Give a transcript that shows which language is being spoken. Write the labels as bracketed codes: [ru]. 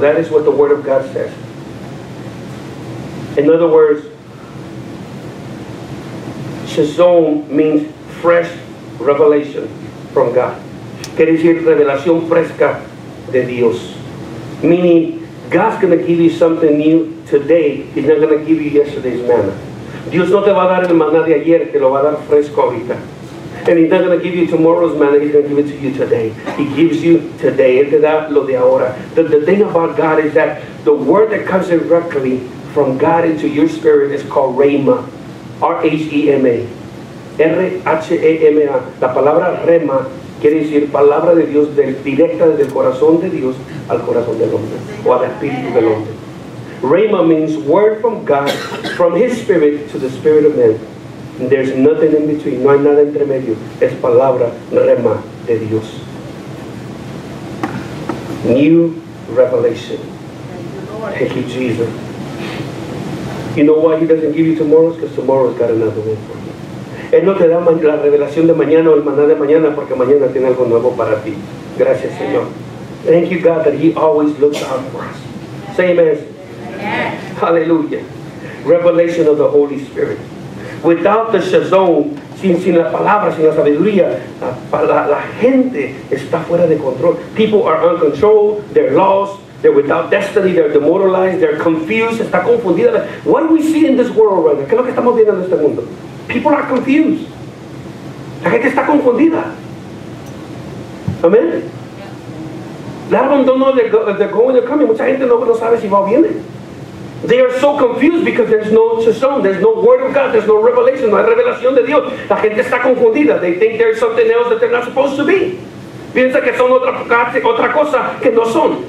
[en] That is what the Word of God says. In other words, chazon means fresh revelation from God. [es] Quiere decir revelación fresca de Dios. [en] Meaning, God's going to give you something new today. He's not going to give you yesterday's manna. [es] Dios no te va a dar el maná de ayer, te lo va a dar fresco ahorita. [en] And he's not going to give you tomorrow's manna, he's going to give it to you today. He gives you today. [es] Él te da lo de ahora. [en] The thing about God is that the word that comes directly from God into your spirit is called rhema. R-H-E-M-A. [es] R-H-E-M-A, la palabra rema quiere decir palabra de Dios directa desde el corazón de Dios al corazón del hombre o al espíritu del hombre. [en] Rema means word from God, from His spirit to the spirit of man. There's nothing in between, [es] no hay nada entre medio, [en] es palabra rema de Dios. New revelation. Thank you, Jesus. You know why He doesn't give you tomorrow? Because tomorrow's got another one for you. [es] Él no te da la revelación de mañana o el maná de mañana porque mañana tiene algo nuevo para ti. Gracias, [en] yes. [es] Señor. [en] Thank you, God, that He always looks out for us. Say amen. Yes. Hallelujah. Revelation of the Holy Spirit. Without the Shazon, [es] sin la palabra, sin la sabiduría, la gente está fuera de control. [en] People are uncontrolled, they're lost, they're without destiny, they're demoralized, they're confused, [es] está confundida. [en] What do we see in this world right now? [es] ¿Qué es lo que estamos viendo en este mundo? [en] People are confused. [es] La gente está confundida. Amen. Yeah. [en] They don't know they're going or coming. [es] Mucha gente no sabe si va o viene. [en] They are so confused because there's no chesón, there's no word of God, there's no revelation, [es] no hay revelación de Dios. La gente está confundida. [en] They think there's something else that they're not supposed to be. [es] Piensa que son otra cosa que no son.